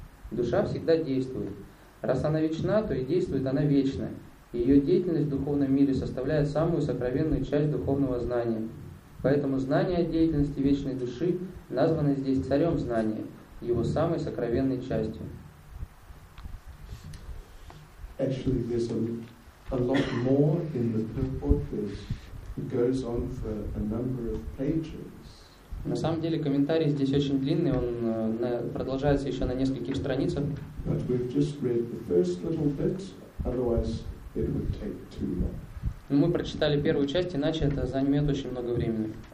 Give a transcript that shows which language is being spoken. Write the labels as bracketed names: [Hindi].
[Russian] Душа всегда действует. Раз она вечна, то и действует она вечно, и ее деятельность в духовном мире составляет самую сокровенную часть духовного знания. Поэтому знание о деятельности вечной души названо здесь царем знания, его самой сокровенной частью. [English] Actually, there's a lot more in the purport. It goes on for a number of pages. [Russian] На самом деле комментарий здесь очень длинный, он продолжается еще на нескольких страницах. [English] But we've just read the first little bit, otherwise it would take too long. [Russian] Мы прочитали первую часть, иначе это займет очень много времени.